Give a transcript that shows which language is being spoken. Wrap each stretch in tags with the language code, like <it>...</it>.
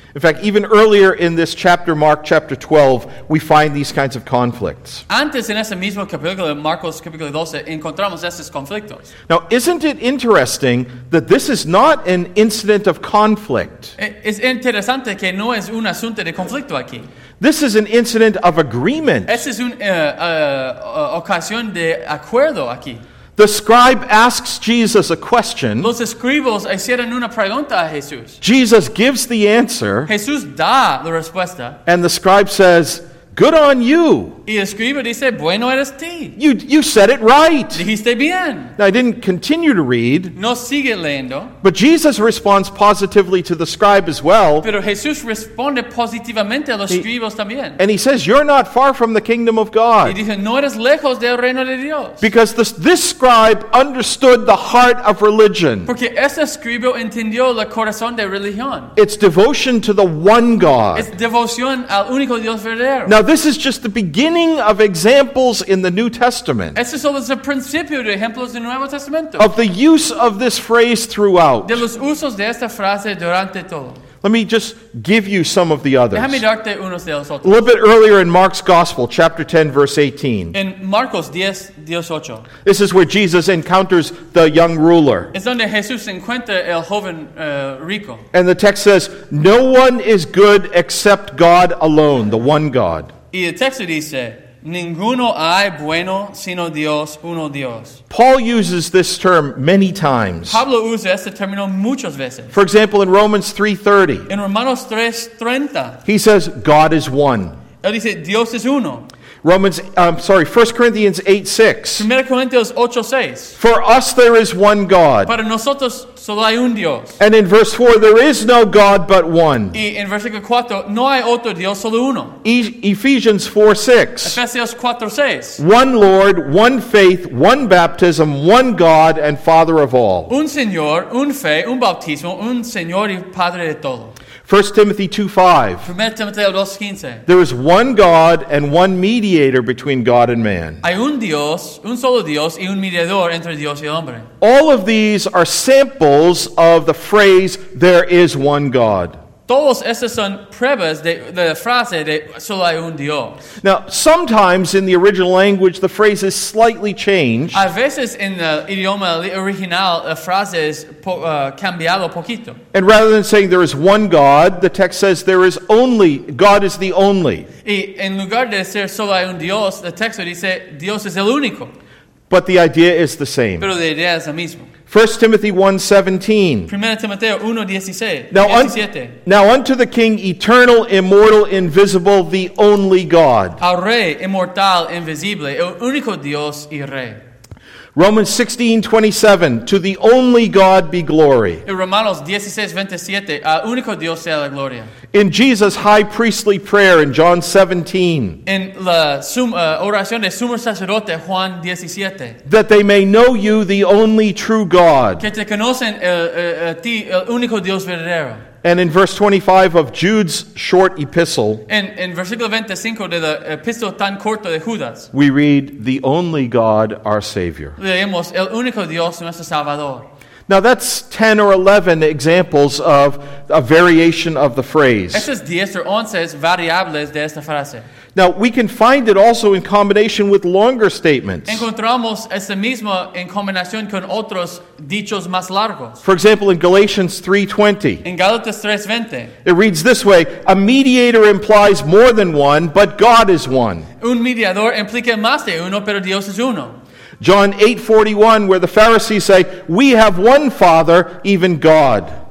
<en>In fact, even earlier in this chapter, Mark chapter 12, we find these kinds of conflicts.</en> <es>Antes en ese mismo capítulo, Marcos capítulo 12, encontramos estos conflictos.</es> <en>Now, isn't it interesting that this is not an incident of conflict?</en> <es>Es interesante que no es un asunto de conflicto aquí.</es> <en>This is an incident of agreement.</en> <es>Esta es una ocasión de acuerdo aquí.</es> <en>The scribe asks Jesus a question.</en> <es>Los escribos hicieron una pregunta a Jesús.</es> <en>Jesus gives the answer.</en> <es>Jesús da la respuesta.</es> <en>And the scribe says, "Good on you."</en> <es>Y el escriba dice, "Bueno eres ti."</es> <en>You said it right.</en> <es>Dijiste bien.</es> <en>Now, I didn't continue to read.</en> <es>No sigue leyendo.</es> <en>But Jesus responds positively to the scribe as well.</en> <es>Pero Jesús responde positivamente a los escribos también.</es> <en>And he says, "You're not far from the kingdom of God."</en> <es>Y dice, "No eres lejos del reino de Dios."</es> <en>Because this scribe understood the heart of religion.</en> <es>Porque ese escriba entendió el corazón de religión.</es> <en>It's devotion to the one God.</en> <es>Es devoción al único Dios verdadero.</es> <en>Now, this is just the beginning of examples in the New Testament.</en> <es>Esto solo es el principio de ejemplos del Nuevo Testamento.</es> <en>Of the use of this phrase throughout.</en> <es>De los usos de esta frase durante todo.</es> <en>Let me just give you some of the others.</en> <es>Déjame darte unos de los otros.</es> <en>A little bit earlier in Mark's Gospel, chapter 10, verse 18.</en> <es>En Marcos 10, 18.</es> <en>This is where Jesus encounters the young ruler.</en> <es>Es donde Jesús encuentra el joven rico.</es> <en>And the text says, "No one is good except God alone, the one God."</en> <es>Y el texto dice, "Ninguno hay bueno sino Dios, uno Dios."</es> <en>Paul uses this term many times.</en> <es>Pablo usa este término muchas veces.</es> <en>For example, in Romans 3:30.</en> <es>En Romanos 3:30.</es> <en>He says, "God is one."</en> <es>Él dice, "Dios es uno."</es> <en>1 Corinthians 8:6.</en> <es>1 Corintios 8:6.</es> <en>For us there is one God.</en> <es>Para nosotros solo hay un Dios.</es> <en>And in verse 4, there is no God but one.</en> <es>Y en versículo 4, no hay otro Dios, solo uno.</es> <en>Ephesians 4:6.</en> <es>Efesios 4:6.</es> <en>One Lord, one faith, one baptism, one God and Father of all.</en> <es>Un Señor, un fe, un bautismo, un Señor y Padre de todo.</es> <en>1 Timothy 2:5. 1 Timothy 2:15. There is one God and one mediator between God and man.</en> <es>Hay un Dios, un solo Dios y un mediador entre Dios y el hombre.</es> <en>All of these are samples of the phrase "there is one God."</en> <es>Todos estos son pruebas de la frase de solo hay un Dios.</es> <en>Now, sometimes in the original language, the phrase is slightly changed.</en> <es>A veces en el idioma original, la frase es cambiado poquito.</es> <en>And rather than saying there is one God, the text says there is only, God is the only.</en> <es>Y en lugar de decir solo hay un Dios, el texto dice Dios es el único.</es> <en>But the idea is the same.</en> <es>Pero la idea es la misma.</es> <en>1 Timothy 1:17.</en> <es>1 Timoteo 1:17.</es> <en>Now unto the King, eternal, immortal, invisible, the only God.</en> <es>Al Rey, inmortal, invisible, el único Dios y Rey.</es> <en>Romans 16:27. To the only God be glory.</en> <es>En Romanos 16:27. Al único Dios sea la gloria.</es> <en>In Jesus' high priestly prayer in John 17.</en> <es>En la oración de sumo sacerdote Juan 17.</es> <en>That they may know you, the only true God.</en> <es>Que te conocen a ti, el único Dios verdadero.</es> <en>And in verse 25 of Jude's short epistle.</en> <es>En versículo 25 de la epístola tan corta de Judas.</es> <en>We read, the only God, our Savior.</en> <es>Leemos, el único Dios, nuestro Salvador.</es> <en>Now that's 10 or 11 examples of a variation of the phrase.</en> <es>Esas 10 o 11 variables de esta frase.</es> <en>Now we can find it also in combination with longer statements.</en> <es>Encontramos ese mismo en combinación con otros dichos más largos.</es> <en>For example, in Galatians 3:20.</en> <es>En Gálatas 3:20.</es> <en>It reads this way: a mediator implies more than one, but God is one.</en> <es>Un mediador implica más de uno, pero Dios es uno.</es> <en>John 8:41, where the Pharisees say, we have one Father, even God.</en>